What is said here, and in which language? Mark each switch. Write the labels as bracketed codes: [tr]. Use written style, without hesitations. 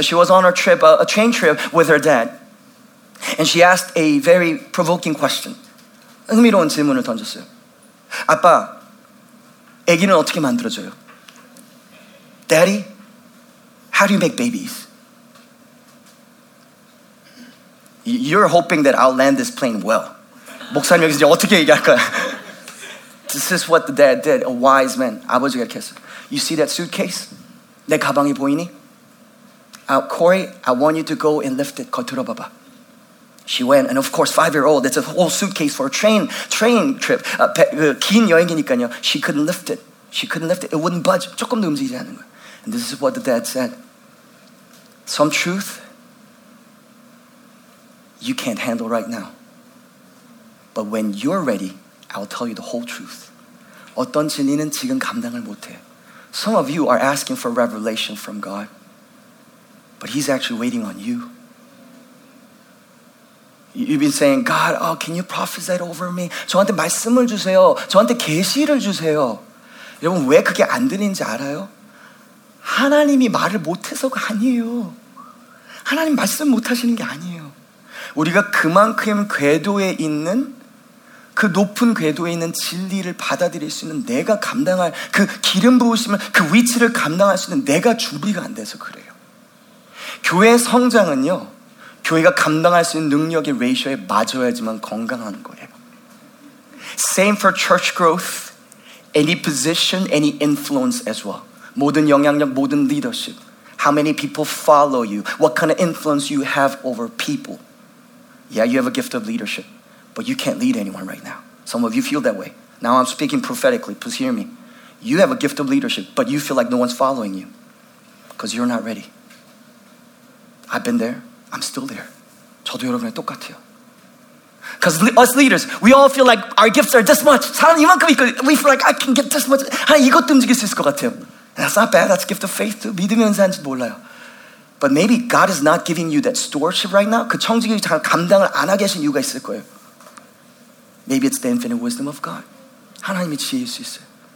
[en] She was on a train trip with her dad. And she asked a very provoking question. [ko] 흥미로운 질문을 던졌어요. 아빠, 아기는 어떻게 만들어져요? [en] Daddy, how do you make babies? You're hoping that I'll land this plane well. [ko] 목사님 여기서 어떻게 얘기할 거야? [en] This is what the dad did, a wise man. [ko] 아버지가 이렇게 했어. [en] You see that suitcase? [ko] 내 가방이 보이니? [en] Corey, I want you to go and lift it. [ko] 겉으로 봐봐. [en] She went, and of course, 5-year-old, it's a whole suitcase for a train trip. [ko] 긴 여행이니까요. [en] She couldn't lift it. She couldn't lift it. It wouldn't budge. [ko] 조금도 움직이지 않는 거야. [en] And this is what the dad said. Some truth you can't handle right now. But when you're ready, I'll tell you the whole truth. [ko] 어떤 진리는 지금 감당을 못해. [en] Some of you are asking for revelation from God. But he's actually waiting on you. You've been saying, God, oh, can you prophesy over me? [ko] 저한테 말씀을 주세요. 저한테 계시를 주세요. 여러분, 왜 그게 안 들리는지 알아요? 하나님이 말을 못해서가 아니에요. 하나님 말씀 못하시는 게 아니에요. 우리가 그만큼 궤도에 있는 그 높은 궤도에 있는 진리를 받아들일 수 있는 내가 감당할 그 기름 부으시면 그 위치를 감당할 수 있는 내가 준비가 안 돼서 그래요. 교회 성장은요, 교회가 감당할 수 있는 능력의 레이셔에 맞아야지만 건강한 거예요. [en] Same for church growth, any position, any influence as well. [ko] 모든 영향력, 모든 리더십. [en] How many people follow you? What kind of influence you have over people? Yeah, you have a gift of leadership, but you can't lead anyone right now. Some of you feel that way. Now I'm speaking prophetically. Please hear me. You have a gift of leadership, but you feel like no one's following you because you're not ready. I've been there. I'm still there. [ko] 저도 여러분이랑 똑같아요. [en] Because us leaders, we all feel like our gifts are this much. [ko] 사람 이만큼 있고, [en] we feel like I can get this much. [ko] 하나 이것도 움직일 수 있을 것 같아요. [en] That's not bad. That's a gift of faith too. [ko] 믿음의 은사인지 몰라요. [en] But maybe God is not giving you that stewardship right now. [ko] 그 청지기 잘 감당을 안 하게 하신 이유가 있을 거예요. [en] Maybe it's the infinite wisdom of God. [ko] 하나님의 지혜일 수 있어요.